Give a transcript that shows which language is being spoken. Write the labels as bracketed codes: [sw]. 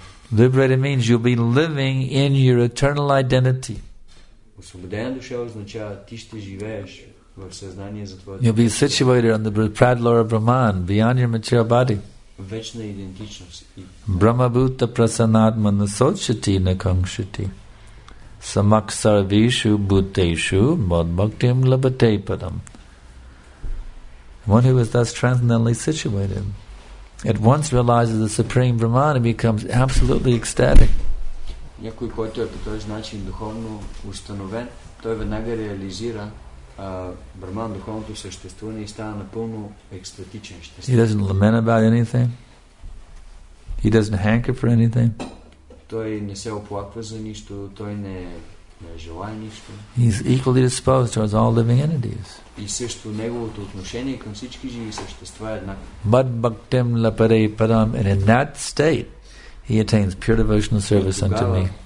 [en] Liberated means you'll be living in your eternal identity. [bg] Освободена душа означава ти ще живееш в съзнание за твоето. [en] You'll be situated on the Pradlora Brahman, beyond your material body. [bg] Вечна идентичност. [sa] Брахма бута прасанатма насочити на кангшити. Самак сарвишу бутешу мадбхактим лабате падам. [en] One who is thus transcendentally situated at once realizes the Supreme Brahman and becomes absolutely ecstatic. [bg] Някой, който е по този начин духовно установен, той веднага реализира Брахман, духовното съществуване и става напълно екстатичен. [en] He doesn't lament about anything. He doesn't hanker for anything. [bg] Той не се оплаква за нищо, той не желая нищо. [en] He's equally disposed towards all living entities. [bg] И също неговото отношение към всички живи същества е еднакво. [sa] Мад бхактим лапаре парам, [en] and in that state, he attains pure devotional service unto me.